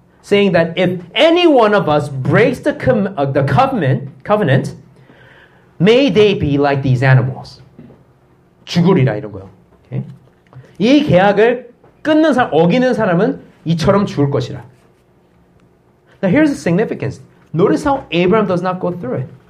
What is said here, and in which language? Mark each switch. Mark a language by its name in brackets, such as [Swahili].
[English] Saying that if any one of us breaks the covenant, may they be like these animals. [Korean] 죽으리라 이런 거요. Okay? 이 계약을 끊는 사람, 어기는 사람은 이처럼 죽을 것이라. [English] Now here's the significance. Notice how Abraham does not go through it.